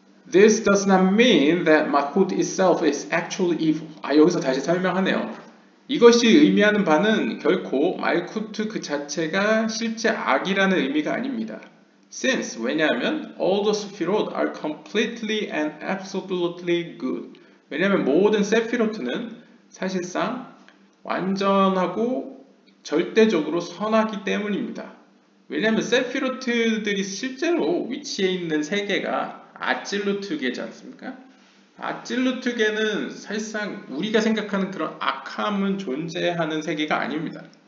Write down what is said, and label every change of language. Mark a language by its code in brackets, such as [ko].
[en] This does not mean that Makut itself is actually evil. [ko] 아, 여기서 다시 설명하네요. 이것이 의미하는 바는 결코 말쿠트 그 자체가 실제 악이라는 의미가 아닙니다. [en] Since, [ko] 왜냐하면 [en] all the sephirot are completely and absolutely good. [ko] 왜냐하면 모든 세피로트는 사실상 완전하고 절대적으로 선하기 때문입니다. 왜냐하면 세피로트들이 실제로 위치해 있는 세계가 아찔루트계지 않습니까? 아찔루트계는 사실상 우리가 생각하는 그런 악함은 존재하는 세계가 아닙니다.